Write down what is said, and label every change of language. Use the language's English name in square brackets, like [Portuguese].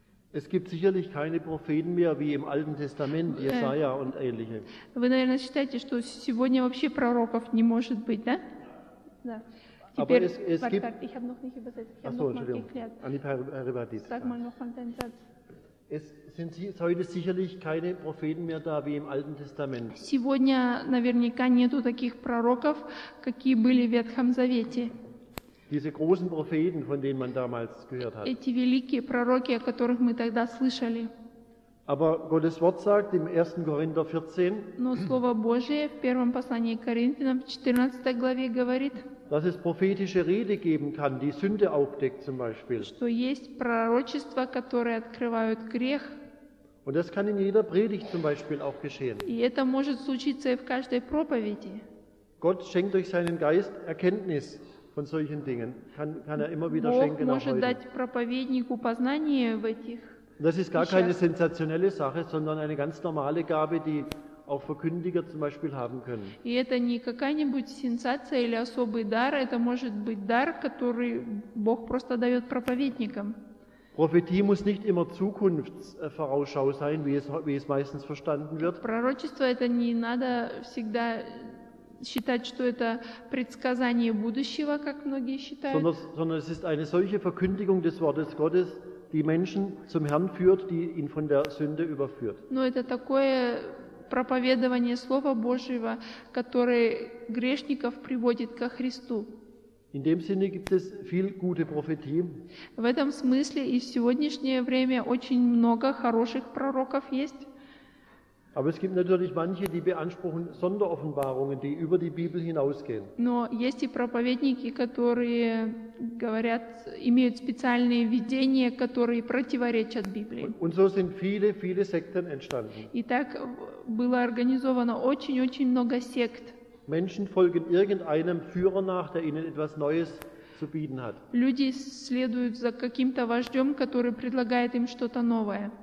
[German] Es gibt sicherlich keine Propheten mehr wie im Alten Testament, Jesaja und ähnliche. [Russian] Вы, наверное, считаете, что сегодня вообще пророков не может быть, да? Да. Теперь, [German] aber es gibt. Ich habe noch nicht übersetzt. Ich habe noch nicht erklärt. An die Sag mal noch mal deinen Satz. Es sind heute sicherlich keine Propheten mehr da wie im Alten Testament. [Russian] Сегодня наверняка нету таких пророков, какие были в Ветхом Завете. [German] Diese großen Propheten, von denen man damals gehört hat. [Russian] Эти великие пророки, о которых мы тогда слышали. [German] Aber Gottes Wort sagt im 1. Korinther 14. [Russian] Но слово Божие в первом послании к Коринфянам в 14 главе говорит. [German] Dass es prophetische Rede geben kann, die Sünde aufdeckt zum Beispiel. [Russian] Что есть пророчества, которые открывают грех. [German] Und das kann in jeder Predigt zum Beispiel auch geschehen. [Russian] И это может случиться и в каждой проповеди. [German] Gott schenkt durch seinen Geist Erkenntnis von solchen Dingen. Kann er immer wieder schenken auch heute. [Russian] Бог может дать проповеднику познание в этих. [German] Das ist gar keine sensationelle Sache, sondern eine ganz normale Gabe, die auch Verkündiger zum Beispiel haben können. [Russian] И это не какая-нибудь сенсация или особый дар, это может быть дар, который Бог просто дает проповедникам. [German] Prophetie muss nicht immer Zukunftsvorausschau sein, wie es meistens verstanden wird. [Russian] Пророчество это не надо всегда считать, что это предсказание будущего, как многие считают. [German] Sondern es ist eine solche Verkündigung des Wortes Gottes, die Menschen zum Herrn führt, die ihn von der Sünde überführt. [Russian] Но это такое проповедование Слова Божьего, которое грешников приводит ко Христу. [German] In dem Sinne gibt es viel gute Prophetie. [Russian] В этом смысле и в сегодняшнее время очень много хороших пророков есть. [German] Aber es gibt natürlich manche, die beanspruchen Sonderoffenbarungen, die über die Bibel hinausgehen. [Russian] Но есть и проповедники, которые говорят, имеют специальные видения, которые противоречат Библии. [German] Und so sind viele, viele Sekten entstanden. [Russian] И так было организовано очень-очень много сект. [German] Menschen folgen irgendeinem Führer nach, der ihnen etwas Neues zu bieten hat. [Russian] Люди следуют за каким-то вождем, который предлагает им что-то новое.